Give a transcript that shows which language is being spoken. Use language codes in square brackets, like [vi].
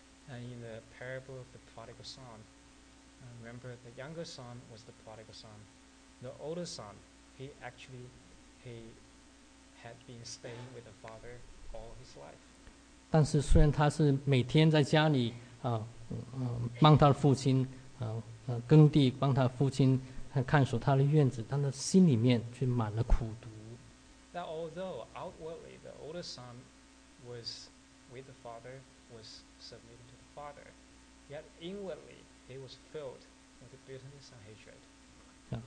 [en] And in the parable of the prodigal son, remember the younger son was the prodigal son. The older son, he had been staying with the father all his life. [zh] 但是虽然他是每天在家里帮他的父亲耕地，帮他父亲看守他的院子，但他心里面却满了苦毒。 [en] That although outwardly the older son was with the father, was submitted to the father, yet inwardly he was filled with bitterness and hatred.